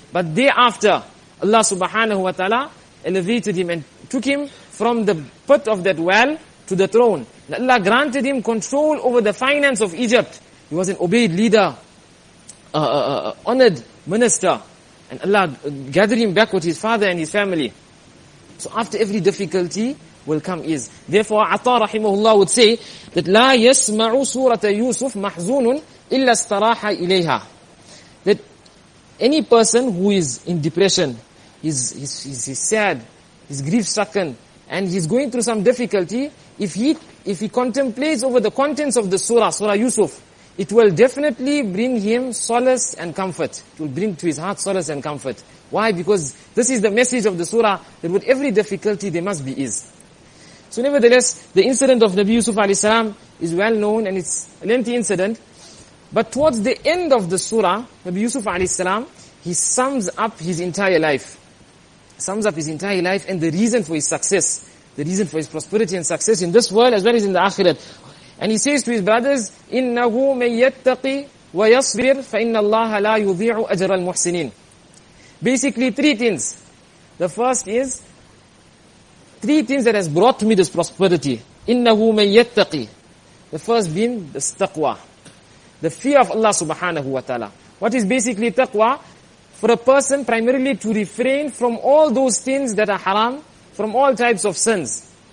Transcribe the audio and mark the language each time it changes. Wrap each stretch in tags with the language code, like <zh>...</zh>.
<en>But thereafter, Allah subhanahu wa ta'ala elevated him and took him from the pit of that well to the throne. Allah granted him control over the finance of Egypt. He was an obeyed leader, honored minister. And Allah gathered him back with his father and his family. So after every difficulty will come ease. Therefore, Atta rahimahullah would say that</en> <ar>لا يسمع سورة يوسف محزون إلا استراح إليها.</ar> <en>That any person who is in depression, He's sad, he's grief-stricken, and he's going through some difficulty, if he contemplates over the contents of the Surah Yusuf, it will definitely bring him solace and comfort. It will bring to his heart solace and comfort. Why? Because this is the message of the Surah, that with every difficulty there must be ease. So nevertheless, the incident of Nabi Yusuf alayhi salam is well known, and it's a lengthy incident. But towards the end of the Surah, Nabi Yusuf alayhi salam, he sums up his entire life. Sums up his entire life and the reason for his success. The reason for his prosperity and success in this world as well as in the akhirat. And he says to his brothers,</en> <ar>إِنَّهُ مَنْ يَتَّقِي وَيَصْبِرْ فَإِنَّ اللَّهَ لَا يُضِيعُ أَجْرَ الْمُحْسِنِينَ.</ar> <en>Basically 3 things. The first is, 3 things that has brought me this prosperity.</en> <ar>إِنَّهُ مَنْ يَتَّقِي.</ar> <en>The first being the taqwa. The fear of Allah subhanahu wa ta'ala. What is basically taqwa? For a person primarily to refrain from all those things that are haram, from all types of sins.</en>